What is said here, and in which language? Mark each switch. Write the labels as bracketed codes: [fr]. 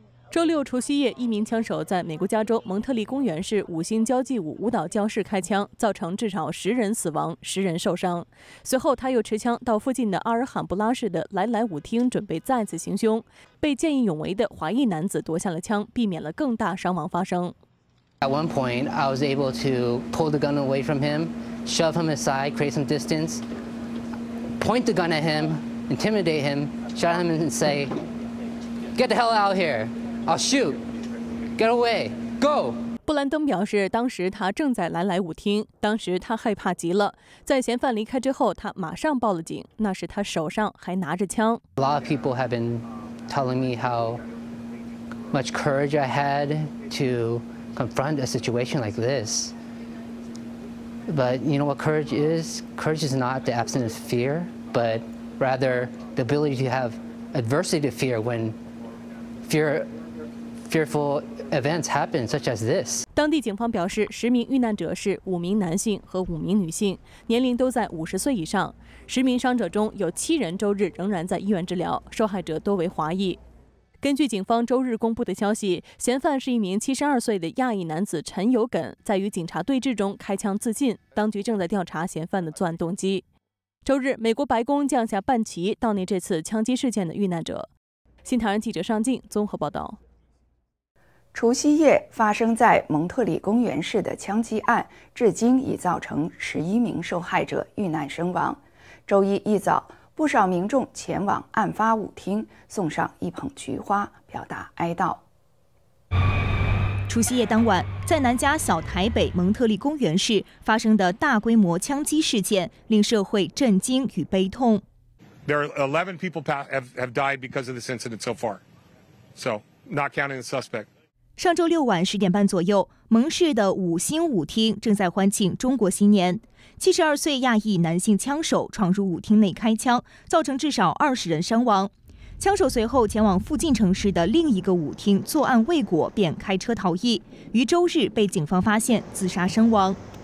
[zh] 周六除夕夜，一名枪手在美国加州蒙特利公园市五星交际舞舞蹈教室开枪，造成至少10人死亡、10人受伤。随后他又持枪到附近的阿尔罕布拉市的来来舞厅准备再次行凶，被见义勇为的华裔男子夺下了枪，避免了更大伤亡发生。 [en] At one point, I was able to pull the gun away from him, shove him aside, create some distance, point the gun at him, intimidate him, shout him and say, "Get the hell out here! I'll shoot. Get away. Go!" [zh] 布兰登表示，当时他正在来来舞厅，当时他害怕极了。在嫌犯离开之后，他马上报了警。那时他手上还拿着枪。 [en] A lot of people have been telling me how much courage I had to. Confront a situation like this. But you know what courage is? Courage is not the absence of fear, but rather the ability to have adversity to fear when fearful events happen, such as this. [zh] 当地警方表示，10名遇难者是5名男性和5名女性，年龄都在50岁以上。 10名伤者中有7人周日仍然在医院治疗，受害者多为华裔。根据警方周日公布的消息，嫌犯是一名72岁的亚裔男子陈友耿，在与警察对峙中开枪自尽，当局正在调查嫌犯的作案动机。周日，美国白宫降下半旗悼念这次枪击事件的遇难者。新唐人记者尚静综合报道。除夕夜发生在蒙特利公园市的枪击案，至今已造成11名受害者遇难身亡。周一一早，不少民众前往案发舞厅，送上一捧菊花，表达哀悼。除夕夜当晚，在南加小台北蒙特利公园市发生的大规模枪击事件，令社会震惊与悲痛。 [en] There are 11 people have died because of this incident so far, so not counting the suspect. [zh] 上周六晚10点半左右，蒙氏的五星舞厅正在欢庆中国新年。 72岁亚裔男性枪手闯入舞厅内开枪，造成至少20人伤亡。枪手随后前往附近城市的另一个舞厅作案未果，便开车逃逸，于周日被警方发现自杀身亡。